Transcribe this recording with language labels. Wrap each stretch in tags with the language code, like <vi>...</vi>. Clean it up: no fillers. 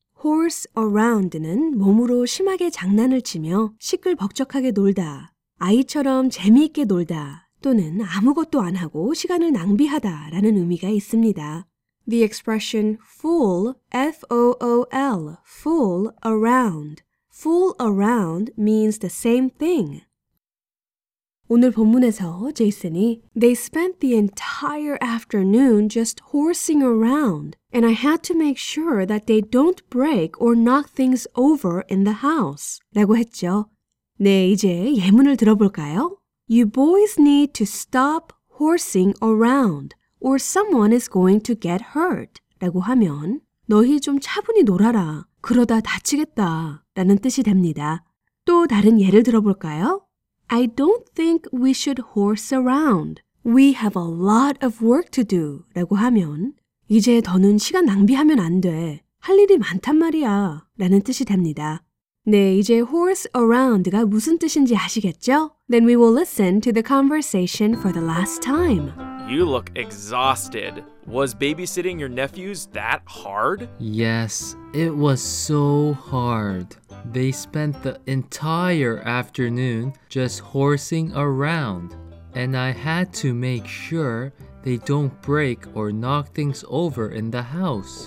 <ko>Horse around는 몸으로 심하게 장난을 치며 시끌벅적하게 놀다, 아이처럼 재미있게 놀다, 또는 아무것도 안 하고 시간을 낭비하다 라는 의미가 있습니다.</ko> <en>The expression fool, F-O-O-L, fool around. Fool around means the same thing.</en> <ko>오늘 본문에서 제이슨이</ko> <en>They spent the entire afternoon just horsing around, and I had to make sure that they don't break or knock things over in the house.</en> <ko>라고 했죠. 네, 이제 예문을 들어볼까요?</ko> <en>You boys need to stop horsing around, or someone is going to get hurt.</en> <ko>라고 하면 너희 좀 차분히 놀아라. 그러다 다치겠다 라는 뜻이 됩니다. 또 다른 예를 들어볼까요?</ko> <en>I don't think we should horse around. We have a lot of work to do.</en> <ko>라고 하면 이제 더는 시간 낭비하면 안 돼. 할 일이 많단 말이야 라는 뜻이 됩니다. 네, 이제 horse around가 무슨 뜻인지 아시겠죠?</ko> <en>Then we will listen to the conversation for the last time. You look exhausted. Was babysitting your nephews that hard? Yes, it was so hard. They spent the entire afternoon just horsing around, and I had to make sure they don't break or knock things over in the house.</en>